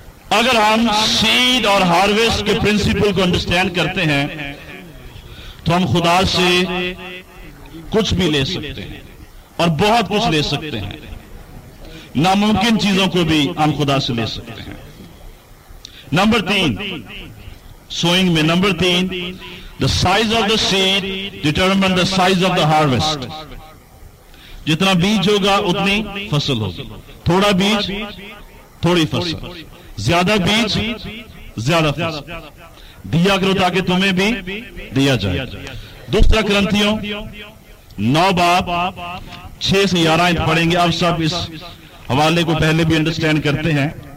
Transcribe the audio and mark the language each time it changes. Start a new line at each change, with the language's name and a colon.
Urdu: اگر ہم سیڈ اور ہارویسٹ کے پرنسپل کو انڈرسٹینڈ کرتے ہیں تو ہم خدا سے کچھ بھی لے سکتے ہیں اور بہت کچھ لے سکتے ہیں. ناممکن چیزوں کو بھی ہم خدا سے لے سکتے ہیں. نمبر تین, سوئنگ میں نمبر تین,
English: The size of the seed determine the size of the harvest.
Urdu: جتنا بیج ہوگا اتنی فصل ہوگی. تھوڑا بیج تھوڑی فصل, زیادہ بیج زیادہ فصل. دیا کرو تاکہ تمہیں بھی دیا جائے. دوسرا کرنتھیوں 9:6-11 پڑھیں گے. اب سب اس حوالے کو پہلے بھی انڈرسٹینڈ کرتے ہیں,